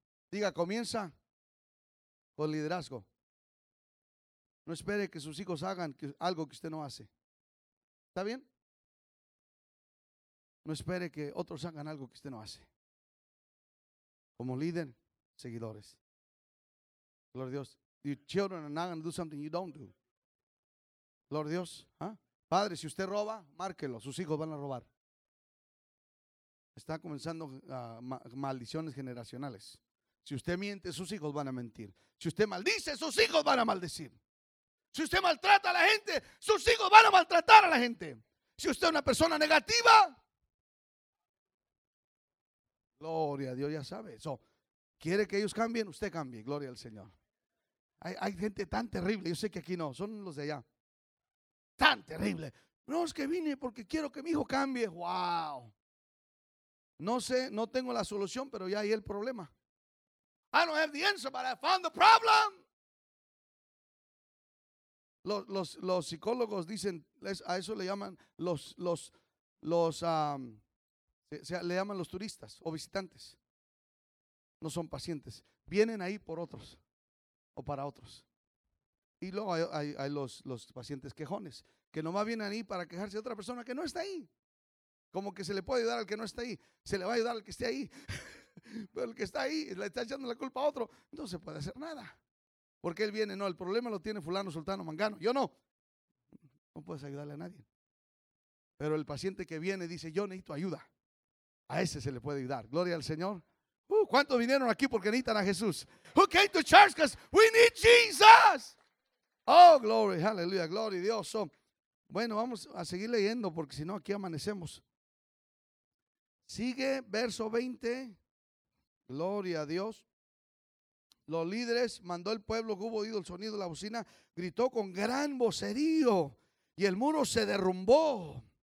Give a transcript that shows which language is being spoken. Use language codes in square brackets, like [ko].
[es] Diga, comienza con liderazgo. No espere que sus hijos hagan algo que usted no hace. ¿Está bien? No espere que otros hagan algo que usted no hace. Como líder, seguidores. Gloria a Dios. [en] Your children are not going to do something you don't do. [es] Gloria a Dios. ¿Ah? Padre, si usted roba, márquelo. Sus hijos van a robar. Está comenzando maldiciones generacionales. Si usted miente, sus hijos van a mentir. Si usted maldice, sus hijos van a maldecir. Si usted maltrata a la gente, sus hijos van a maltratar a la gente. Si usted es una persona negativa, gloria a Dios, ya sabe. So, ¿quiere que ellos cambien? Usted cambie, gloria al Señor. Hay gente tan terrible, yo sé que aquí no, son los de allá. Tan terrible. No, es que vine porque quiero que mi hijo cambie. Wow. No sé, no tengo la solución, pero ya hay el problema. [en] I don't have the answer, but I found the problem. [es] Los psicólogos dicen, a eso le llaman le llaman los turistas o visitantes. No son pacientes. Vienen ahí por otros o para otros. Y luego hay los pacientes quejones, que nomás vienen ahí para quejarse de otra persona que no está ahí. Como que se le puede ayudar al que no está ahí, se le va a ayudar al que esté ahí. Pero el que está ahí le está echando la culpa a otro, no se puede hacer nada. Porque él viene, no, el problema lo tiene fulano, sultano, mangano. Yo no. no puedes ayudarle a nadie. Pero el paciente que viene dice, yo necesito ayuda. A ese se le puede ayudar. Gloria al Señor. ¿Cuántos vinieron aquí porque necesitan a Jesús? [en] Who came to church because we need Jesus? Oh, glory, hallelujah, glory a Dios. [es] So, bueno, vamos a seguir leyendo porque si no aquí amanecemos. Sigue verso 20. Gloria a Dios. Los líderes mandó el pueblo que hubo oído el sonido de la bocina. Gritó con gran vocerío y el muro se derrumbó.